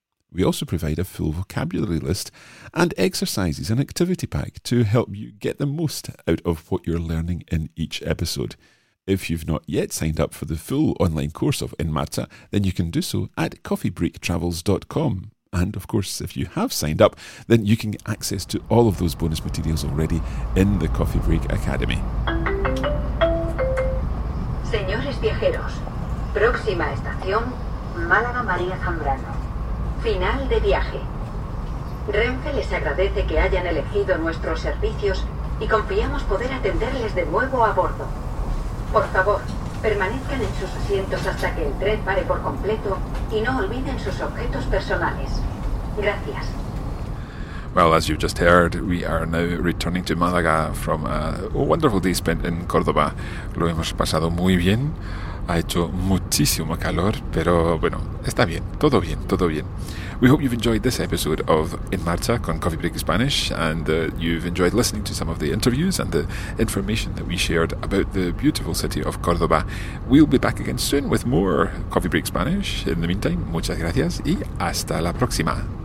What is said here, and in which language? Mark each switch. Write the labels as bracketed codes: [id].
[en] We also provide a full vocabulary list and exercises and activity pack to help you get the most out of what you're learning in each episode. If you've not yet signed up for the full online course of En Mata, then you can do so at coffeebreaktravels.com. And of course, if you have signed up, then you can get access to all of those bonus materials already in the Coffee Break Academy. [es] Señores viajeros, próxima estación, Málaga María Zambrano. Final de viaje. Renfe les agradece que hayan elegido nuestros servicios y confiamos poder atenderles de nuevo a bordo. Por favor, permanezcan en sus asientos hasta que el tren pare por completo y no olviden sus objetos personales. Gracias. [en] Well, as you've just heard, we are now returning to Málaga from a wonderful day spent in Córdoba. [es] Lo hemos pasado muy bien. Ha hecho muchísimo calor, pero bueno, está bien, todo bien, todo bien. [en] We hope you've enjoyed this episode of En Marcha con Coffee Break Spanish, and you've enjoyed listening to some of the interviews and the information that we shared about the beautiful city of Córdoba. We'll be back again soon with more Coffee Break Spanish. In the meantime, [es] muchas gracias y hasta la próxima.